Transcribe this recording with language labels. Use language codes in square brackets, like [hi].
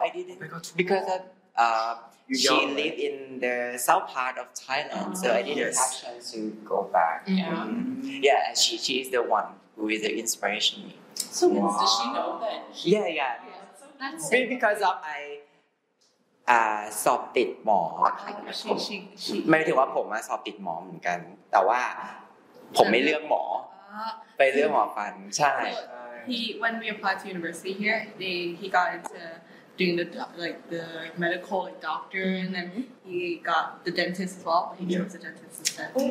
[en] I didn't, because of, she lived in the south part of Thailand. So I didn't have chance to go back. Yeah, mm-hmm. Yeah, she is the one who is the inspiration. So does she know that? Yeah. That's maybe because of I sobbed it more. [th] ไม่ถือว่าผมอะสอบติดหมอเหมือนกันแต่ว่าผมไม่เลือกหมอไปเลือกหมอฟันใช่ [en] He when we applied to university here he got into doing the like the medical like doctor and then he got the dentist as well he chose the dentist instead